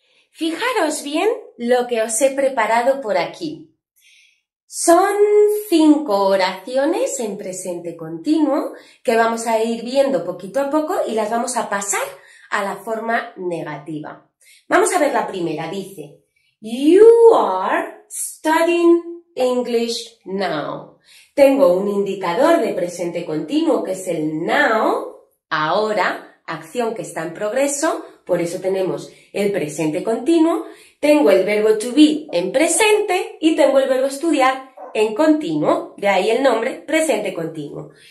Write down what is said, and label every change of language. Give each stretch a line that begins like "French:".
Spanish: Fijaros bien lo que os he preparado por aquí. Son cinco oraciones en presente continuo que vamos a ir viendo poquito a poco y las vamos a pasar a la forma negativa. Vamos a ver la primera. Dice,
English: You are studying English now.
Spanish: Tengo un indicador de presente continuo que es el now, ahora, acción que está en progreso, por eso tenemos el presente continuo. Tengo el verbo to be en presente y tengo el verbo estudiar en continuo, de ahí el nombre presente continuo.